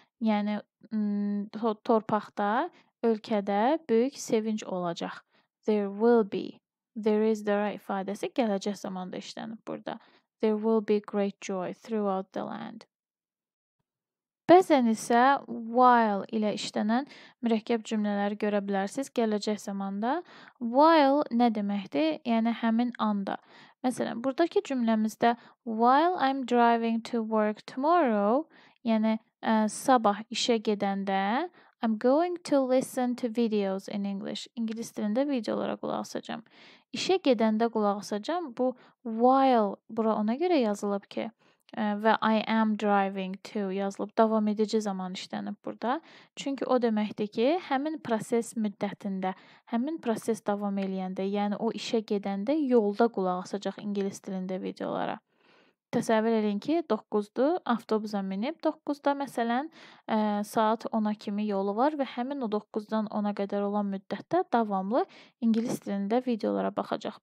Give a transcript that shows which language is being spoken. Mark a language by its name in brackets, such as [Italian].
[Azerbaijani] Yəni, torpaqda, ölkədə böyük sevinç olacaq. [English] There will be. [Azerbaijani] There is the right ifadəsi gələcək zamanda işlənib burada. [English] There will be great joy throughout the land. [Azerbaijani] Bəzən isə while ilə işlənən mürəkkəb cümlələri görə bilərsiniz gələcək zamanda. [English] While [Azerbaijani] nə deməkdir? Yəni, həmin anda. Məsələn, buradakı cümləmizdə [English] while I'm driving to work tomorrow, [Azerbaijani] yəni sabah işə gedəndə, [English] I'm going to listen to videos in English. [Azerbaijani] İngilis dilində videolara qulaq asacağım. İşə gedəndə qulaq asacağım. Bu while bura ona görə yazılıb ki, və [English] I am driving to [Azerbaijani] yazılıb. Davam edici zaman işlənib burada. Çünki o deməkdir ki, həmin proses müddətində, həmin proses davam eləyəndə, yəni o işə gedəndə yolda qulaq asacaq ingilis dilində videolara. Təsəvvür edin ki, 9-dur, avtobusa minib, 9-da məsələn saat 10-a kimi yolu var və həmin o 9-dan 10-a qədər olan müddətdə davamlı ingilis dilində videolara baxacaq.